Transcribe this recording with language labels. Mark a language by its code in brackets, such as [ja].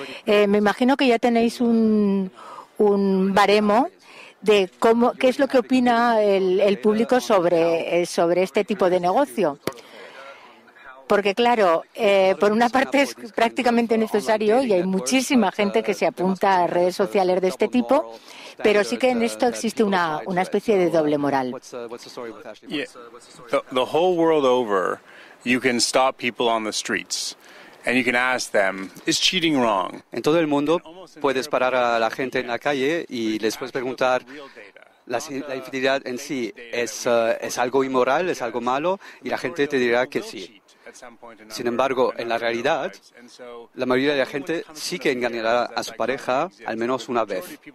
[es] Me imagino que ya tenéis un baremo de cómo, qué es lo que opina el público sobre este tipo de negocio. Porque claro, por una parte es prácticamente necesario y hay muchísima gente que se apunta a redes sociales de este tipo, pero sí que en esto existe una especie de doble moral. [en] The whole world over, you can stop people on the streets. And you can ask them, is cheating wrong? [es] En todo el mundo puedes parar a la gente en la calle y les puedes preguntar, la infidelidad en sí es algo inmoral, es algo malo, y la gente te dirá que sí. Sin embargo, en la realidad, la mayoría de la gente sí que engañará a su pareja al menos una vez.